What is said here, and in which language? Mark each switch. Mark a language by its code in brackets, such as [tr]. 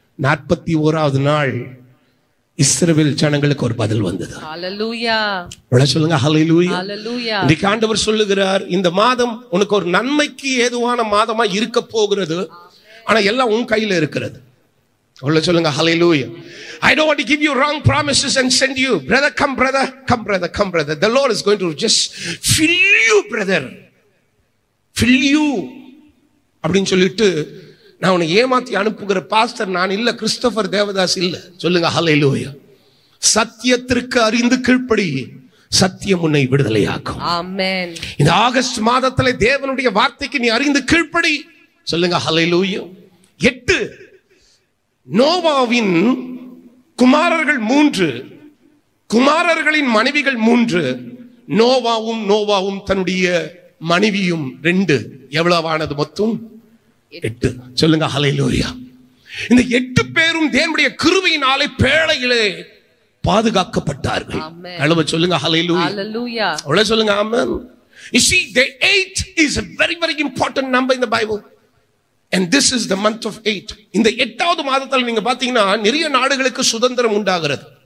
[ta] 41st நாள் இஸ்ரவேல் ஜனங்களுக்கு ஒரு பதில் வந்தது. ஹல்லேலூயா. சொல்லுங்க ஹல்லேலூயா. இன்னைக்கு ஆண்டவர் சொல்லுகிறார், இந்த மாதம் உனக்கு ஒரு நன்மைக்கு ஏதுவான மாதமா இருக்க போகிறது, ஆனா எல்லாம் உன் கையில இருக்கிறது. சொல்லுங்க ஹல்லேலூயா. [en] I don't want to give you wrong promises and send you, brother, come brother, come brother, come brother. The Lord is going to just fill you, brother. Fill you. [ta] அப்படின்னு சொல்லிட்டு நான் உன்னை ஏமாத்தி அனுப்புகிற பாஸ்டர் நான் இல்ல, கிறிஸ்டோபர் தேவதாஸ் இல்ல. சொல்லுங்க ஹல்லேலூயா. சத்தியத்திற்கு அறிந்து கீழ்ப்படி, சத்தியம் உன்னை விடுதலையாக்கும். ஆமென். இந்த ஆகஸ்ட் மாதத்துல தேவனுடைய வார்த்தைக்கு நீ அறிந்து கீழ்ப்படி. சொல்லுங்க ஹல்லேலூயா. 8 நோவாவின் குமாரர்கள் 3, குமாரர்களின் மனைவிகள் 3. நோவாவும் தன்னுடைய மனைவியும் 2. எவ்வளவானது மொத்தம்? 8. சொல்லுங்க ஹல்லேலூயா. இந்த 8 பேரும் தேவனுடைய கிருபையினாலே பேழையிலே பாதுகாக்கப்பட்டார்கள். ஆமென். கலவ சொல்லுங்க ஹல்லேலூயா. ஹல்லேலூயா. அவ்வளவு சொல்லுங்க ஆமென். [en] You see, the 8 is a very important number in the Bible. And this is the month of 8. [ta] இந்த 8வது மாதத்துல நீங்க பாத்தீங்கன்னா நிறைய நாடுகளுக்கு சுதந்திரம் உண்டாகிறது.